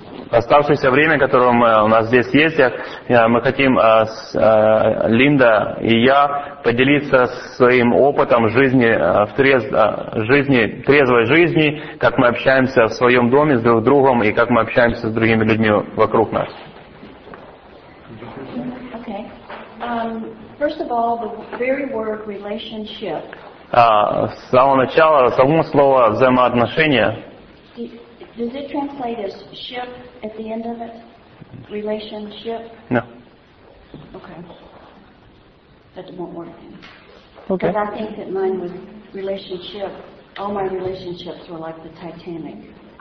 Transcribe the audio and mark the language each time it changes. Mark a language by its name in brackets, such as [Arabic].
[Russian] Оставшееся время, которое у нас здесь есть, мы хотим, Линда и я, поделиться своим опытом жизни, трезвой жизни, как мы общаемся в своем доме с друг другом и как мы общаемся с другими людьми вокруг нас. [English] Okay. First of all, the very word relationship. [Russian] С самого начала, само слово взаимоотношения. [English] Does it translate as ship at the end of it? Relationship? No. Okay. That won't work then. Okay. Because I think that mine was relationship. All my relationships were like the Titanic.